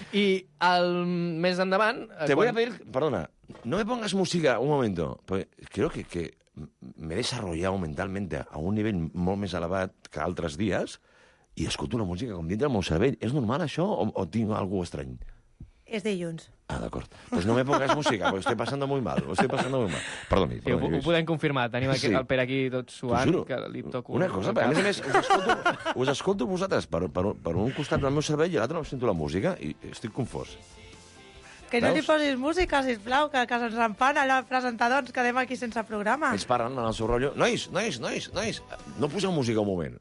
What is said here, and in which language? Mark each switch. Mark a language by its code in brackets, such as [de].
[ca] I... Al més endavant... [es] Te voy a pedir... Perdona, no me pongas música un momento. Creo que me he desarrollado mentalmente a un nivell molt [ca] més elevat que altres dies i escolto una música com dintre el meu cervell. És normal, això, o tinc alguna cosa estrany? És dilluns. Ah, d'acord. [es] Pues no me pongas música, porque estoy pasando muy mal. Estoy pasando muy mal. [ca] Perdoni. Sí, ho podem confirmar. Tenim aquí, sí. El Pere aquí tot suant, que li toco... Una cosa, a més a més, us escolto vosaltres per un costat del meu cervell i l'altre no sento la música i estic confós. Que no li posis música, sisplau, que se'ns empana la presentadora, ens quedem aquí sense programa. Ells parlen en el seu rotllo. Nois, no poseu música un moment.